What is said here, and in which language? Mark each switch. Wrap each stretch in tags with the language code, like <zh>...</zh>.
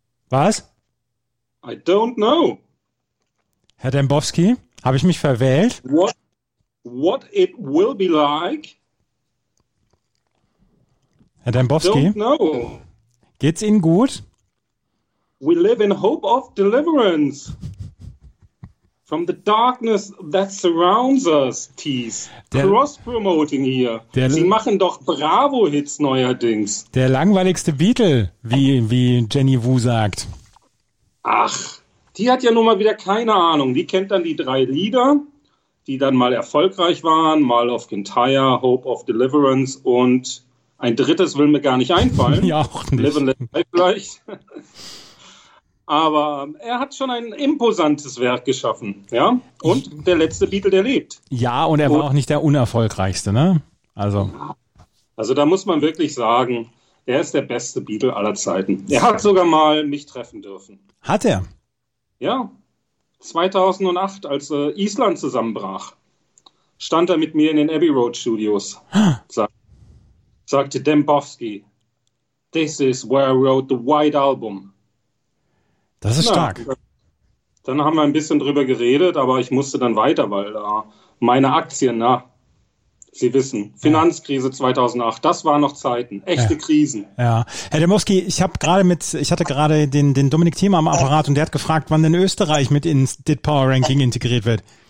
<de>Was?</de> <en>I don't know.</en> <de>Herr Dembowski, habe ich mich verwählt?</de> <en>What it will be like.</en> <de>Herr Dembowski, geht's Ihnen gut?</de> <en>We live in hope of deliverance from the darkness that surrounds us, Thies.</en> <de>Cross-promoting hier. Sie machen doch Bravo-Hits neuerdings. Der langweiligste Beatle, wie Jenny Wu sagt. Ach, die hat ja nun mal wieder keine Ahnung. Die kennt dann die drei Lieder, die dann mal erfolgreich waren. Mal of Kintyre, Hope of Deliverance und ein drittes will mir gar nicht einfallen. Ja, auch nicht. Live and Let Die vielleicht. Aber er hat schon ein imposantes Werk geschaffen, ja? Und der letzte Beatle, der lebt. Ja, und er war auch nicht der unerfolgreichste, ne? Also da muss man wirklich sagen, er ist der beste Beatle aller Zeiten. Er hat sogar mal mich treffen dürfen. Hat er? Ja. 2008, als Island zusammenbrach, stand er mit mir in den Abbey Road Studios. Sagte</de> <en>Dembowski, this is where I wrote the White Album.</en> <de>Das ist stark. Dann haben wir ein bisschen drüber geredet, aber ich musste dann weiter, weil meine Aktien, na, Sie wissen, Finanzkrise 2008, das waren noch Zeiten, echte Krisen. Ja, Herr Dembowski, ich hatte gerade den Dominik Thiem am Apparat und der hat gefragt, wann denn Österreich mit ins DIT Power Ranking integriert wird.</de>